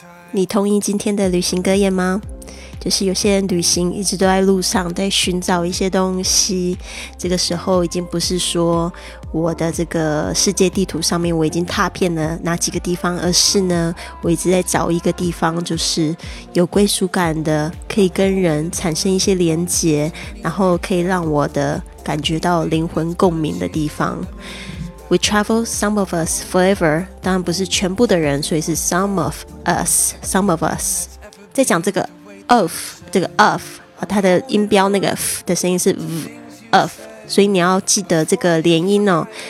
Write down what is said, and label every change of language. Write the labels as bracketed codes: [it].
[zh] 你同意今天的旅行格言吗？就是有些人旅行一直都在路上，在寻找一些东西，这个时候已经不是说我的这个世界地图上面我已经踏遍了哪几个地方，而是呢我一直在找一个地方，就是有归属感的，可以跟人产生一些连结，然后可以让我的感觉到灵魂共鸣的地方。 [en] We travel, some of us, forever. [zh] 当然不是全部的人，所以是 [en] some of us, some of us. [zh] 在讲这个 of, 这个 of, 它的音标那个 f 的声音是 v, of. 所以你要记得这个连音哦。